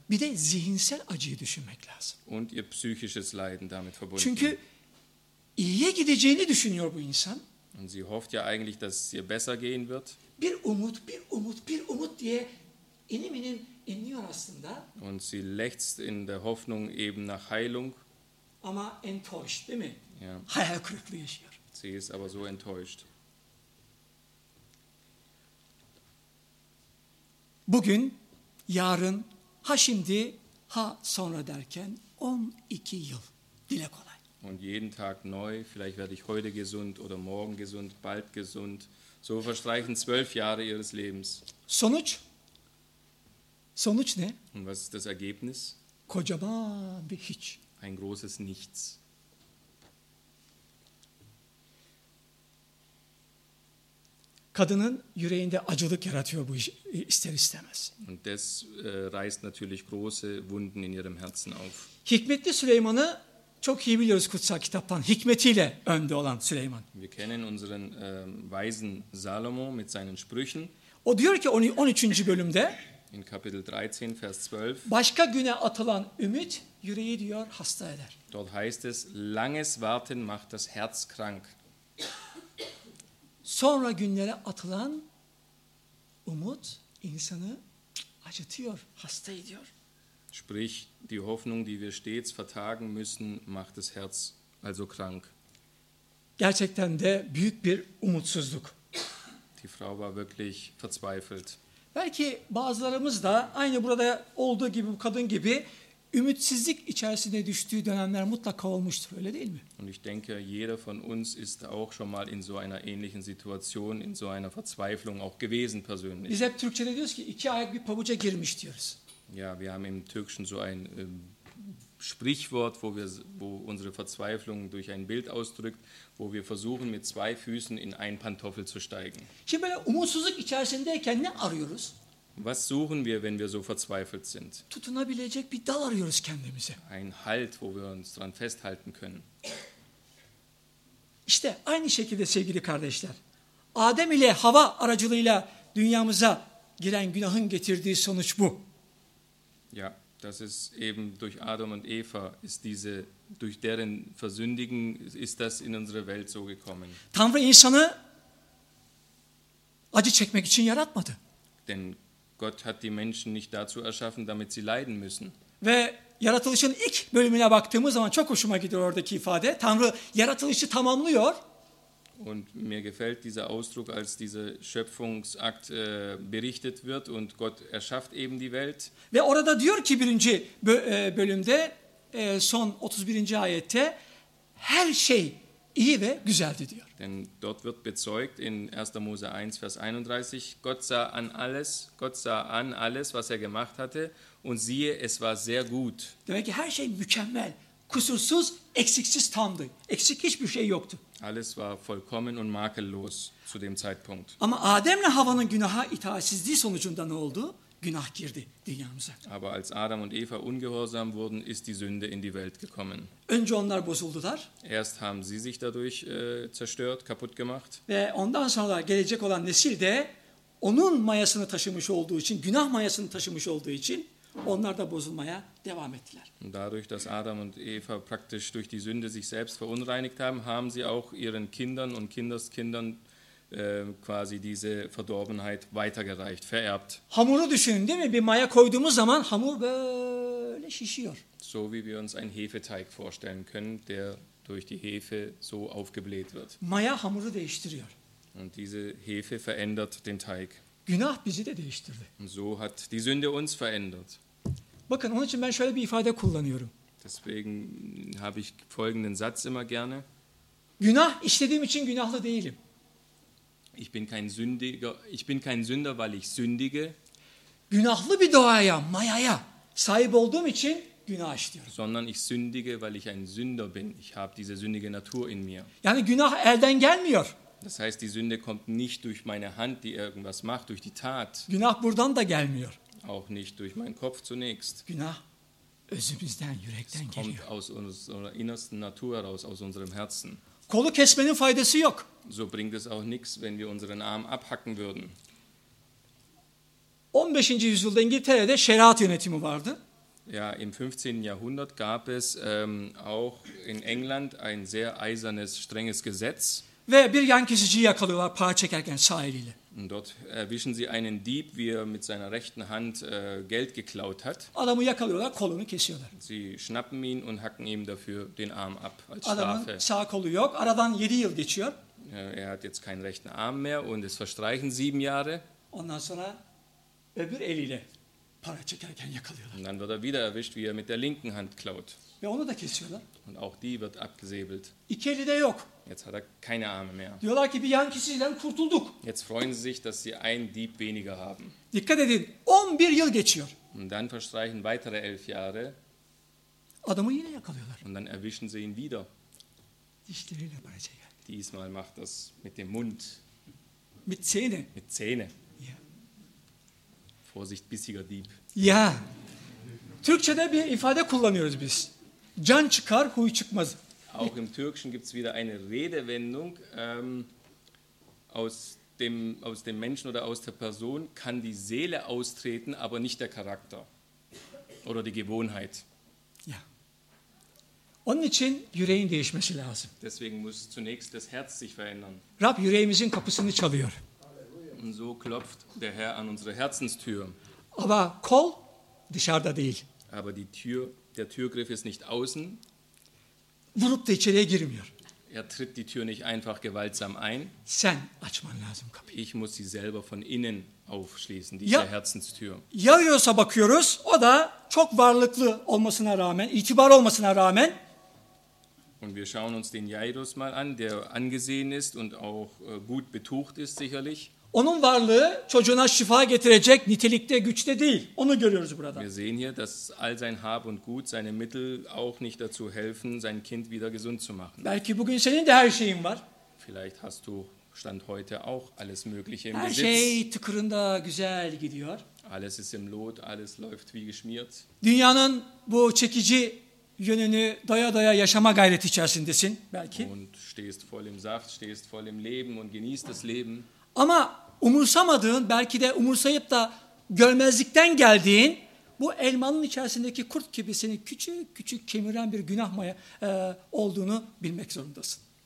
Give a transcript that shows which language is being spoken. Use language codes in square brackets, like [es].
[tr] Bir de zihinsel acıyı düşünmek lazım. [de] Und ihr psychisches Leiden damit verbunden. [tr] Çünkü iyiye gideceğini düşünüyor bu insan. [de] Und sie hofft ja eigentlich, dass es ihr besser gehen wird. [tr] Bir umut, bir umut, bir umut diye inim inim inliyor aslında. [de] Und sie lechzt in der Hoffnung eben nach Heilung. [tr] Ama [de] enttäuscht, [tr] değil mi? [de] Ja. [tr] Hayal kırıklığı yaşıyor. [de] Sie ist aber so enttäuscht. [tr] Bugün, yarın, ha şimdi, ha sonra derken 12 yıl. Dile kolay. [de] und jeden Tag neu. Vielleicht werde ich heute gesund oder morgen gesund, bald gesund. So verstreichen 12 Jahre ihres Lebens. [tr] Sonuç? Sonuç ne? [de] Und was ist das Ergebnis? [tr] Kocaman bir hiç. [de] Ein großes Nichts. [tr] Kadının yüreğinde acılık yaratıyor bu iş, ister istemez. [de] Und das reißt natürlich große Wunden in ihrem Herzen auf. [tr] Hikmetli Süleyman'ı çok iyi biliyoruz kutsal kitaptan. Hikmetiyle önde olan Süleyman. [de] Wir kennen unseren weisen Salomo mit seinen Sprüchen. [tr] O diyor ki 13. bölümde [de] in Kapitel 13 Vers 12 [tr] başka güne atılan ümit yüreği diyor hasta eder. [de] Dort heißt es, langes Warten macht das Herz krank. [tr] Sonra günlere atılan umut insanı acıtıyor, hasta ediyor. [de] Sprich, die Hoffnung, die wir stets vertagen müssen, macht das Herz also krank. [tr] Gerçekten de büyük bir umutsuzluk. [de] Die Frau war wirklich verzweifelt. [tr] Belki bazılarımız da aynı burada olduğu gibi, bu kadın gibi ümitsizlik içerisinde düştüğü dönemler mutlaka olmuştur, öyle değil mi? [de] Und ich denke, jeder von uns ist auch schon mal in so einer ähnlichen Situation, in so einer Verzweiflung auch gewesen persönlich. [tr] Biz hep Türkçe'de diyoruz ki iki ayak bir pabuca girmiş diyoruz. [de] Ja, wir haben im Türkischen so ein Sprichwort, wo unsere Verzweiflung durch ein Bild ausdrückt, wo wir versuchen mit zwei Füßen in einen Pantoffel zu steigen. [tr] Şimdi böyle umutsuzluk içerisindeyken ne arıyoruz? [de] Was suchen wir, wenn wir so verzweifelt sind? [tr] Tutunabilecek bir dal arıyoruz kendimize. [de] Ein Halt, wo wir uns dran festhalten können. [tr] İşte aynı şekilde sevgili kardeşler, Adem ile Hava aracılığıyla dünyamıza giren günahın getirdiği sonuç bu. [de] Ja, das ist eben durch Adam und Eva ist diese durch deren Versündigen ist das in unsere Welt so gekommen. [tr] Tanrı insanı acı çekmek için yaratmadı. [de] Denn Gott hat die Menschen nicht dazu erschaffen, damit sie leiden müssen. [tr] Ve yaratılışın ilk bölümüne baktığımız zaman çok hoşuma gidiyor oradaki ifade. Tanrı yaratılışı tamamlıyor. [de] Und mir gefällt dieser Ausdruck, als dieser Schöpfungsakt berichtet wird und Gott erschafft eben die Welt. [tr] Ve orada diyor ki birinci bölümde son 31. ayette her şey iyi ve güzeldi diyor. [de] Denn dort wird bezeugt in 1. Mose 1 Vers 31, Gott sah an alles, was er gemacht hatte und siehe, es war sehr gut. [tr] Demek ki her şey mükemmel, kusursuz, eksiksiz tamdı. Eksik hiçbir şey yoktu. [de] Alles war vollkommen und makellos zu dem Zeitpunkt. [tr] Ama Adem'le Havva'nın günaha itaatsizliği sonucunda ne oldu? Günah girdi dünyamıza. [de] Aber als Adam und Eva ungehorsam wurden, ist die Sünde in die Welt gekommen. [tr] Önce onlar bozuldular. [de] Erst haben sie sich dadurch zerstört, kaputt gemacht. [tr] Ve ondan sonra gelecek olan nesil de onun mayasını taşımış olduğu için, günah mayasını taşımış olduğu için onlar da bozulmaya devam ettiler. [de] Und dadurch, dass Adam und Eva praktisch durch die Sünde sich selbst verunreinigt haben, haben sie auch ihren Kindern und Kindeskindern quasi diese Verdorbenheit weitergereicht, vererbt. [tr] Hamuru düşünün, değil mi? Bir maya koyduğumuz zaman hamur böyle şişiyor. [de] So wie wir uns einen Hefeteig vorstellen können, der durch die Hefe so aufgebläht wird. [tr] Maya hamuru değiştiriyor. [de] Und diese Hefe verändert den Teig. [tr] Günah bizi de değiştirdi. [de] Und so hat die Sünde uns verändert. [tr] Bakın, onun için ben şöyle bir ifade kullanıyorum. [de] Deswegen habe ich folgenden Satz immer gerne. [tr] Günah işlediğim için günahlı değilim. [de] Ich bin kein Sünder, weil ich sündige. [tr] Günahlı bir doğaya, mayaya sahip olduğum için günah işliyorum. [de] Sondern ich sündige, weil ich ein Sünder bin. Ich habe diese sündige Natur in mir. [tr] Yani günah elden gelmiyor. [de] Das heißt, die Sünde kommt nicht durch meine Hand, die irgendwas macht, durch die Tat. [tr] Günah buradan da gelmiyor. [de] Auch nicht durch meinen Kopf zunächst. [tr] Günah özümüzden, yürekten geliyor. [de] Es kommt aus unserer innersten Natur heraus, aus unserem Herzen. [tr] Kolu kesmenin faydası yok. [de] So bringt es auch nichts, wenn wir unseren Arm abhacken würden. 15. [tr] yüzyılda İngiltere'de şeriat yönetimi vardı. [de] Ja, im 15. Jahrhundert gab es auch in England ein sehr eisernes, strenges Gesetz. [tr] Ve bir yan kesiciyi yakalıyorlar para çekerken sağ eliyle. [de] Und dort erwischen sie einen Dieb, wie er mit seiner rechten Hand Geld geklaut hat. [tr] Adamı yakalıyorlar, kolunu kesiyorlar. [de] Sie schnappen ihn und hacken ihm dafür den Arm ab als Strafe. [tr] Adamın sağ kolu yok, aradan 7 yıl geçiyor. [de] Er hat jetzt keinen rechten Arm mehr und es verstreichen 7 Jahre. [tr] Ondan sonra öbür eliyle [de] Und dann wird er wieder erwischt, wie er mit der linken Hand klaut. [tr] Ve onu da kesiyorlar. [de] Und auch die wird abgesäbelt. [tr] İki eli de yok. [de] Jetzt hat er keine Arme mehr. [tr] Diyorlar ki bir yankisiden kurtulduk. [de] Jetzt freuen sie sich, dass sie einen Dieb weniger haben. [tr] Dikkat edin, 11 yıl geçiyor. [de] Und dann verstreichen weitere 11 Jahre. [tr] Adamı yine yakalıyorlar. [de] Und dann erwischen sie ihn wieder. [tr] Dişleriyle para çeker. [de] Diesmal macht das mit dem Mund. Mit Zähne. Mit Zähne. Ja. Vorsicht, bissiger Dieb. Ja. [tr] Türkçe'de bir ifade kullanıyoruz biz. Can çıkar, huy çıkmaz. [de] Auch im Türkischen gibt es wieder eine Redewendung aus dem Menschen oder aus der Person kann die Seele austreten, aber nicht der Charakter oder die Gewohnheit. Ja. [tr] Onun için yüreğin değişmesi lazım. [de] Deswegen muss zunächst das Herz sich verändern. [tr] Rab yüreğimizin kapısını çalıyor. [de] Und so klopft der Herr an unsere Herzenstür. Aber [tr] kol dışarıda değil. [de] Aber die Tür Der Türgriff ist nicht außen. [tr] Vurup da içeriye girmiyor. [de] Er tritt die Tür nicht einfach gewaltsam ein. [tr] Sen açman lazım kapıyı. [de] Ich muss sie selber von innen aufschließen, diese Herzenstür. [tr] Yarıyorsa bakıyoruz, o da çok varlıklı olmasına rağmen, itibar olmasına rağmen. [de] Und wir schauen uns den Jairus mal an, der angesehen ist und auch gut betucht ist sicherlich. [tr] Onun varlığı çocuğuna şifa getirecek nitelikte, güçte değil. Onu görüyoruz burada. [de] Wir sehen hier, dass all sein Hab und Gut, seine Mittel auch nicht dazu helfen, sein Kind wieder gesund zu machen. [tr] Belki bugün senin de her şeyin var. [de] Vielleicht hast du Stand heute auch alles Mögliche im [tr] her [de] Besitz. [tr] Her şey tıkırında güzel gidiyor. [de] Alles ist im Lot, alles läuft wie geschmiert. [tr] Dünyanın bu çekici yönünü doya doya yaşama gayreti içerisindesin belki. [de] Und stehst voll im Saft, stehst voll im Leben und genießt das Leben. [tr] Ama umursamadığın, belki de umursayıp da görmezlikten geldiğin bu elmanın içerisindeki kurt gibi seni küçük küçük kemiren bir günah maya, olduğunu bilmek zorundasın.